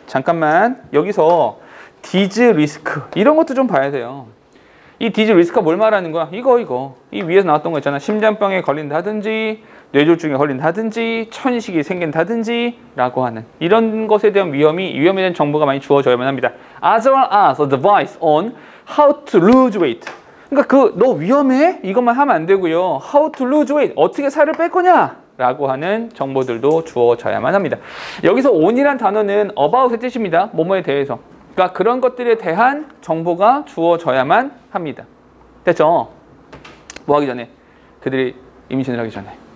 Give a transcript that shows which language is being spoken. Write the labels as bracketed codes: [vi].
[ko] 잠깐만, 여기서 [en] these risks [ko] 이런 것도 좀 봐야 돼요. 이 디즈 리스크가 뭘 말하는 거야? 이거. 이 위에서 나왔던 거 있잖아. 심장병에 걸린다든지, 뇌졸중에 걸린다든지, 천식이 생긴다든지, 라고 하는. 이런 것에 대한 위험에 대한 정보가 많이 주어져야만 합니다. [en] As well as advice on how to lose weight. [ko] 그러니까 너 위험해? 이것만 하면 안 되고요. [en] How to lose weight? [ko] 어떻게 살을 뺄 거냐? 라고 하는 정보들도 주어져야만 합니다. 여기서 on이란 단어는 about의 뜻입니다. 뭐뭐에 대해서. 그러니까 그런 것들에 대한 정보가 주어져야만 합니다. 됐죠? 뭐 하기 전에? 그들이 임신을 하기 전에.